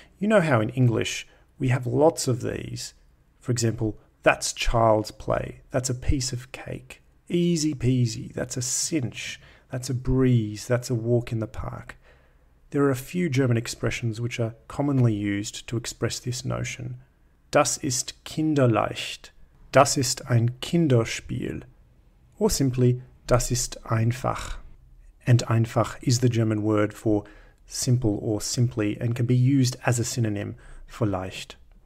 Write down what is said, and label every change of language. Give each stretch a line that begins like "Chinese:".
English: You know how in English we have lots of these. For example, that's child's play, that's a piece of cake, easy peasy, that's a cinch, that's a breeze, that's a walk in the park. There are a few German expressions which are commonly used to express this notion.
German: Das ist kinderleicht, das ist ein Kinderspiel, or simply, das ist einfach.
English: And einfach is the German word for simple or simply and can be used as a synonym for leicht.